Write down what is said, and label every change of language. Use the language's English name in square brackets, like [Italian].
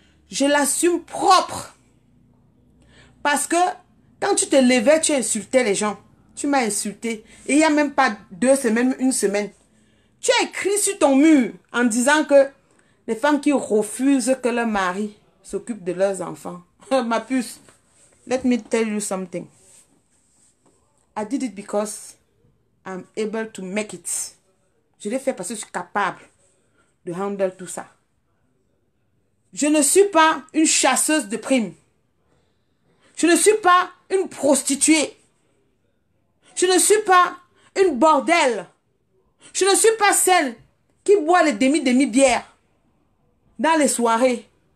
[French] Je l'assume propre. Parce que quand tu te levais, tu insultais les gens. Tu m'as insulté. Et il n'y a même pas 2 semaines, 1 semaine. Tu as écrit sur ton mur en disant que Les femmes qui refusent que leur mari s'occupe de leurs enfants. Ma puce, [English] let me tell you something. I did it because I'm able to make it. [French] Je l'ai fait parce que je suis capable de handle tout ça. Je ne suis pas une chasseuse de primes. Je ne suis pas une prostituée. Je ne suis pas une bordelle. Je ne suis pas celle qui boit les demi-demi-bières dans les soirées.